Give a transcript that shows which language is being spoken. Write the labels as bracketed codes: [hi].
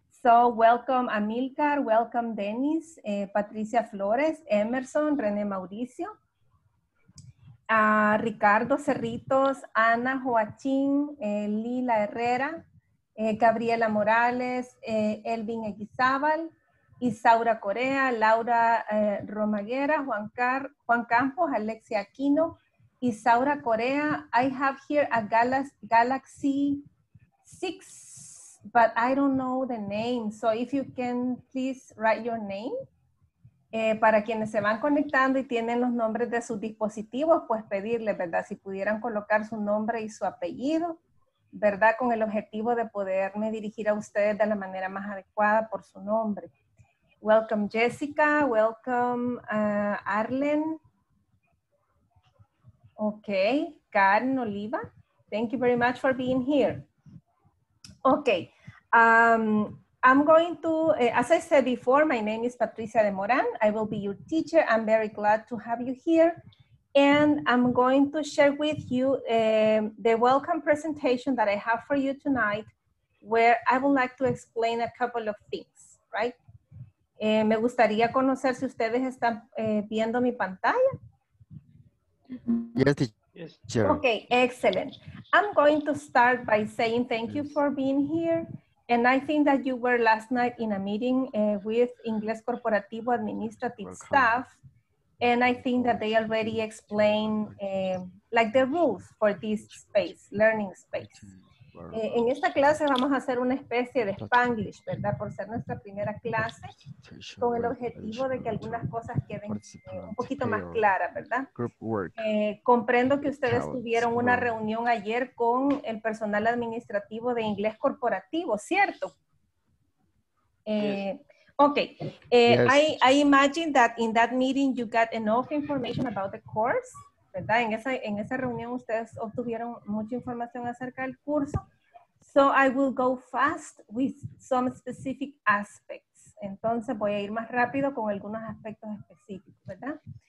[en] So welcome Amilcar, welcome Dennis, Patricia Flores, Emerson, René Mauricio, Ricardo Cerritos, Ana Joachim, Lila Herrera, Gabriela Morales, Elvin Eguizábal, Isaura Corea, Laura Romaguera, Juan Campos, Alexia Aquino, Isaura Corea. I have here a Galaxy 6, but I don't know the name. So if you can please write your name. [es] Para quienes se van conectando y tienen los nombres de sus dispositivos, pues pedirles, ¿verdad? Si pudieran colocar su nombre y su apellido, ¿verdad? Con el objetivo de poderme dirigir a ustedes de la manera más adecuada por su nombre. [en] Welcome Jessica, welcome Arlen. Okay, Karen Oliva, thank you very much for being here. Okay, I'm going to, as I said before, my name is Patricia de Moran. I will be your teacher. I'm very glad to have you here. And I'm going to share with you the welcome presentation that I have for you tonight, where I would like to explain a couple of things, right? [es] Me gustaría conocer si ustedes están viendo mi pantalla. [en] Yes, teacher. Okay, excellent. I'm going to start by saying thank you for being here. And I think that you were last night in a meeting with Ingles Corporativo Administrative welcome. Staff. And I think that they already explained like the rules for this space, learning space. [es] En esta clase vamos a hacer una especie de Spanglish, ¿verdad? Por ser nuestra primera clase, con el objetivo de que algunas cosas queden un poquito más claras, ¿verdad? Comprendo que ustedes tuvieron una reunión ayer con el personal administrativo de Inglés Corporativo, ¿cierto? Okay, I imagine that in that meeting you got enough information about the course, ¿verdad? En esa reunión ustedes obtuvieron mucha información acerca del curso. [en] So I will go fast with some specific aspects. [es] Entonces voy a ir más rápido con algunos aspectos específicos, ¿verdad?